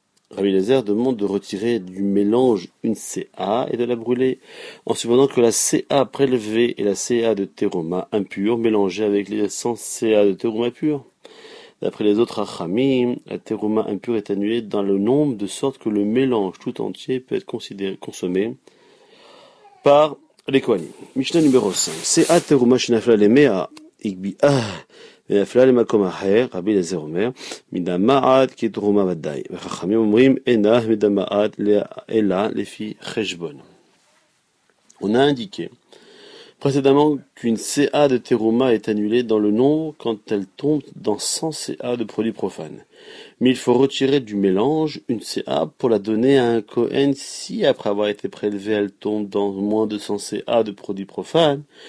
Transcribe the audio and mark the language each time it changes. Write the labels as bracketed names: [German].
[French] Rabbi Eliezer demande de retirer du mélange une CA et de la brûler, en supposant que la CA prélevée est la CA de teruma impure mélangée avec les 100 CA de teruma pure. D'après les autres Chachamim, la teruma impure est annulée dans le nombre, de sorte que le mélange tout entier peut être consommé par les Kohanim. Mishnah numéro 5. [Hebrew] CA teruma shenafla lemea igbi ah. ונפלה למקום אחר, רבי אליעזר אומר, מדמעת כתרומה ודאי. וחכמים אומרים, אינה מדמעת אלא לפי חשבון. [French] On a indiqué précédemment qu'une CA de teruma est annulée dans le nombre quand elle tombe dans 100 CA de produits profanes. Mais il faut retirer du mélange une CA pour la donner à un Kohen si, après avoir été prélevé, elle tombe dans moins de 100 CA de produits profanes.